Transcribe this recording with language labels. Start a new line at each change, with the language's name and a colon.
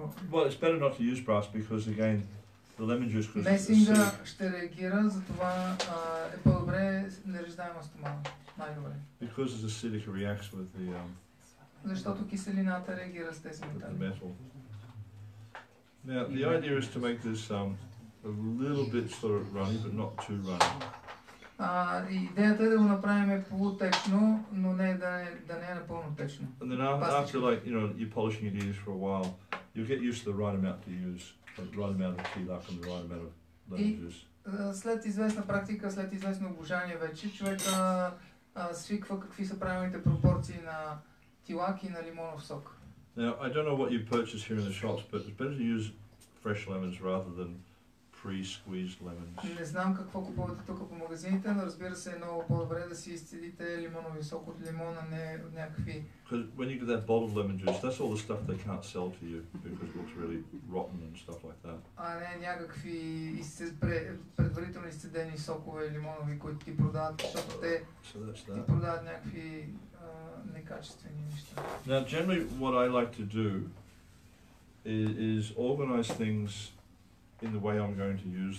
English: Well, it's better not to use brass, because again,
Bulgarian: Месинга ще реагира, затова е по-добре нереждаема стомана. Най-добре. Защото киселината реагира с тези метали.
English: Now, the idea is to make this a little bit sort of runny, but not too runny.
Bulgarian: Идеята е да го направим полутечно, но не да не е напълно течно.
English: And then after like, you know, you're polishing your ears for a while, you'll get used to the right amount to use, the right amount of tea luck and the right amount of lemon juice.
Bulgarian: След известна практика, след известно обожание вече, човека свиква какви са правилните пропорции на tea luck и на лимонов сок.
English: Now, I don't know what you purchase here in the shops, but it's better to use fresh lemons rather than pre-squeezed lemons.
Bulgarian: Не знам какво купувате тук по магазините, но разбира се е много по-добре да си изцедите лимонови сок от лимона, не от някакви.
English: Because when you get that bottled lemon juice, that's all the stuff they can't sell to you because it looks really rotten and stuff like that.
Bulgarian: А не някакви предварително изцедени сокове лимонови, които ти продават, защото те ти продават някакви некачествени неща.
English: Now generally what I like to do is organize things in the way I'm going to use them.